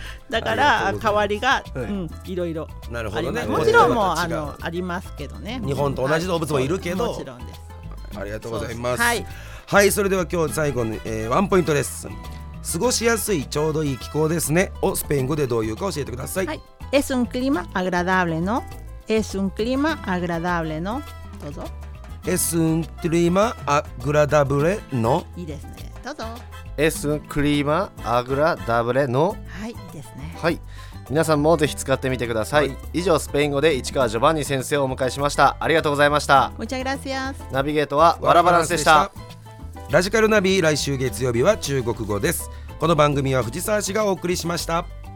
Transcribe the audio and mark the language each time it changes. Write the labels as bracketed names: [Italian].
[Japanese] だから代わりが、うん、いろいろ。なるほどね。もちろんもあのありますけどね。日本と同じ動物もいるけど。もちろんです。ありがとうございます。はい、はい、それでは今日最後に、ワンポイントです。過ごしやすいちょうどいい気候ですねをスペイン語でどういうか教えてください。はい。 [Spanish] Es un clima agradable, ¿no? Es un clima agradable, ¿no? Todo. Es un clima agradable, ¿no? [Japanese] いいですね。 [Spanish] Todo. Es un clima agradable, ¿no? [Japanese] はい、いいですね。はい。皆さんもぜひ使ってみてください。はい、以上、スペイン語で市川ジョバンニ先生をお迎えしました。ありがとうございました。 [Spanish] Muchas gracias. [Japanese] ナビゲートはワラバランスでした。ラジカルナビ、来週月曜日は中国語です。この番組は藤沢氏がお送りしました。